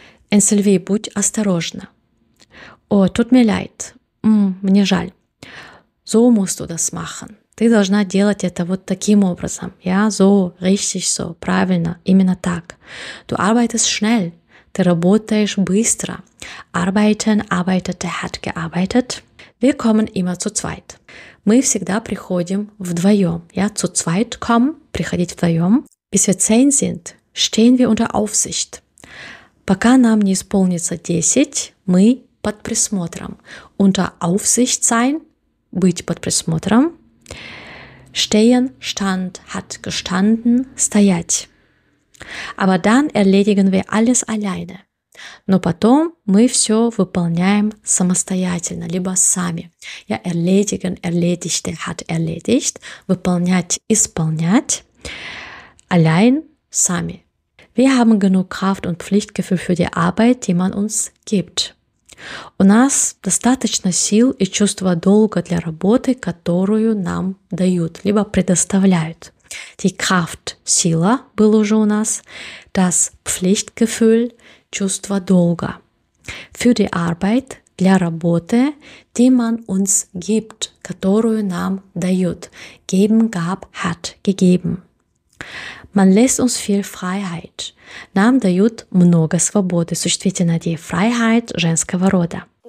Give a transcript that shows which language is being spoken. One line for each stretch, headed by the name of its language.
Russian: Энсельви, будь осторожна. О, тут мне leid. Мне жаль.
German: So musst du das machen.
Russian: Ты должна делать это вот таким образом.
German: Ja, so, richtig so,
Russian: правильно, именно так.
German: Du arbeitest schnell.
Russian: Ты работаешь быстро.
German: Arbeiten, arbeitete, hat gearbeitet. Wir kommen immer zu zweit.
Russian: Мы всегда приходим вдвоем.
German: Ja, zu zweit kommen,
Russian: приходить вдвоем.
German: Bis wir 10 sind, stehen wir unter Aufsicht.
Russian: Пока нам не исполнится 10, мы под присмотром.
German: Unter Aufsicht sein,
Russian: быть под присмотром.
German: Stehen, stand, hat gestanden,
Russian: стоять.
German: Aber dann erledigen wir alles alleine.
Russian: Но потом мы все выполняем самостоятельно, либо сами.
German: Ja, erledigen, erledigte, hat erledigt.
Russian: Выполнять, исполнять.
German: Allein, сами. Wir haben genug Kraft und Pflichtgefühl für die Arbeit, die man uns gibt.
Russian: У нас достаточно сил и чувства долга для работы, которую нам дают, либо предоставляют.
German: Die Kraft,
Russian: сила, было уже у нас.
German: Das Pflichtgefühl,
Russian: чувство долга.
German: Für die Arbeit,
Russian: для работы,
German: die man uns gibt,
Russian: которую нам дают.
German: Geben, gab, hat, gegeben. Man lässt uns viel Freiheit.
Russian: Нам дают много свободы. Существительно, die Freiheit женского рода.